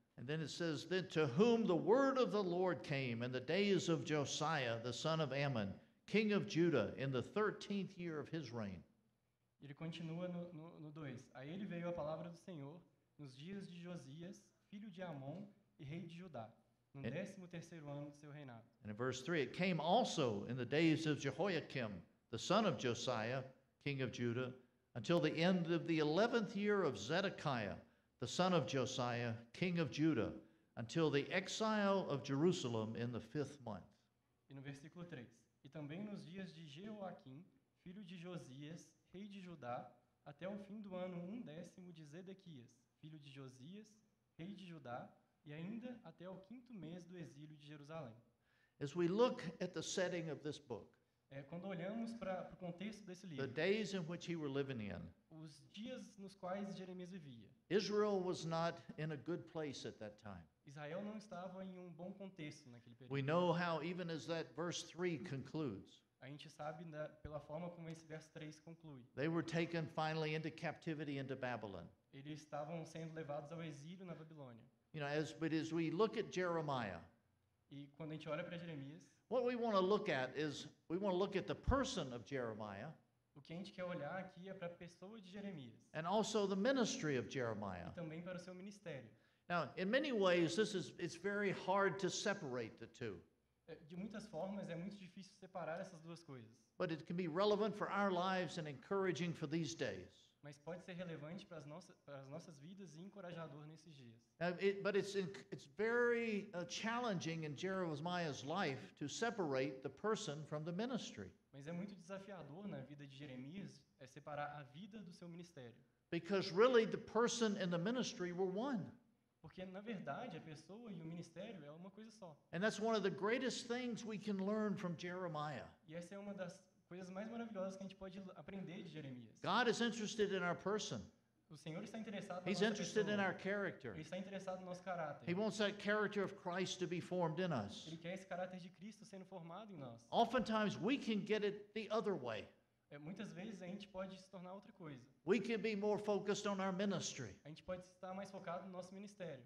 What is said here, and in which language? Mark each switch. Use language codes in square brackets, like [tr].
[en] And then it says, then to whom the word of the Lord came in the days of Josiah, the son of Ammon, king of Judah, in the 13th year of his reign. [pt] Ele continua no 2. A ele veio a palavra do Senhor nos dias de Josias, filho de Amon e rei de Judá. No 13º ano do seu reinado. [en] And in verse 3, it came also in the days of Jehoiakim, the son of Josiah, king of Judah, until the end of the 11th year of Zedekiah, the son of Josiah, king of Judah, until the exile of Jerusalem in the 5th month. [pt] E no versículo 3, e também nos dias de Jeoaquim, filho de Josias, rei de Judá, até o fim do ano 1º de Zedequias, filho de Josias, rei de Judá, e ainda até o quinto mês do exílio de Jerusalém. [en] As we look at the setting of this book, [pt] quando olhamos para o contexto desse livro, [en] the days in which he were living in, [pt] os dias nos quais Jeremias vivia, [en] Israel was not in a good place at that time. [pt] Israel não estava em um bom contexto naquele período. [en] We know how, even as that verse 3 concludes, [pt] a gente sabe pela forma como esse verso 3 conclui. [en] They were taken finally into captivity into Babylon. [pt] Eles estavam sendo levados ao exílio na Babilônia. [en] You know, as we look at Jeremiah, [pt] e quando a gente olha para Jeremias, [en] what we want to look at is, we want to look at the person of Jeremiah, [pt] o que a gente quer olhar aqui é para a pessoa de Jeremias, [en] and also the ministry of Jeremiah, [pt] e também para o seu ministério. [en] Now, in many ways, it's very hard to separate the two. [pt] De muitas formas, é muito difícil separar essas duas coisas. [en] But it can be relevant for our lives and encouraging for these days. [pt] Mas pode ser relevante para as nossas vidas e encorajador nesses dias. [en] But it's very challenging in Jeremiah's life to separate the person from the ministry. [pt] Mas é muito desafiador na vida de Jeremias separar a vida do seu ministério. [en] Because really the person and the ministry were one. [pt] Porque na verdade a pessoa e o ministério é uma coisa só. [en] And that's one of the greatest things we can learn from Jeremiah. [pt] E essa é uma das coisas mais maravilhosas que a gente pode aprender de Jeremias. [en] God is interested in our person. [pt] O Senhor está interessado. [en] He's interested in our character. [pt] Ele está interessado no nosso caráter. [en] He wants that character of Christ to be formed in us. [pt] Ele quer esse caráter de Cristo sendo formado em nós. [en] Oftentimes we can get it the other way. [pt] Muitas vezes a gente pode se tornar outra coisa. [en] We can be more focused on our ministry. [pt] A gente pode estar mais focado no nosso ministério.